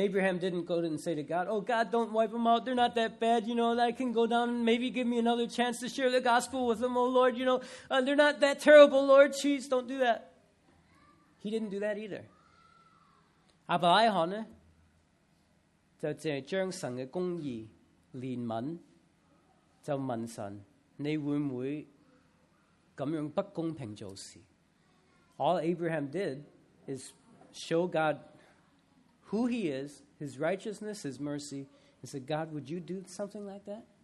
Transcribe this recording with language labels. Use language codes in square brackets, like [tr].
[en] Abraham didn't go and say to God, "Oh God, don't wipe them out. They're not that bad, you know. I can go down and maybe give me another chance to share the gospel with them. Oh Lord, you know, they're not that terrible. Lord, please don't do that." He didn't do that either. [yue] 阿伯拉罕呢，就只系将神嘅公义、怜悯，就问神：你会唔会咁样不公平做事？All [en] Abraham did is show God who he is, his righteousness, his mercy, and said, "God, would you do something like that?"